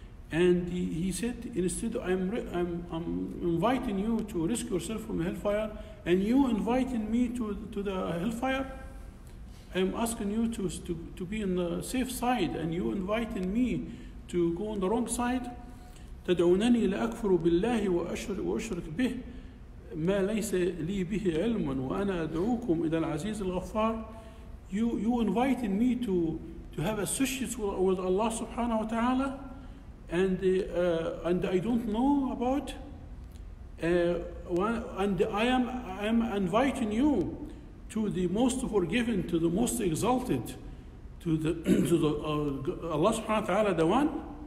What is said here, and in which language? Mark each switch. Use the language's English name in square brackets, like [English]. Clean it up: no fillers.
[English] And he said, instead, I'm inviting you to risk yourself from hellfire, and you inviting me to the hellfire. I'm asking you to be on the safe side, and you inviting me to go on the wrong side. [Arabic] تدعونني لأكفر بالله وأشرك به ما ليس لي به علما وأنا أدعوكم إلى العزيز الغفار. [English] You inviting me to have associates with Allah subhanahu wa ta'ala. And I don't know about. I am inviting you to the most forgiving, to the most exalted, to the Allah subhanahu wa ta'ala, the one.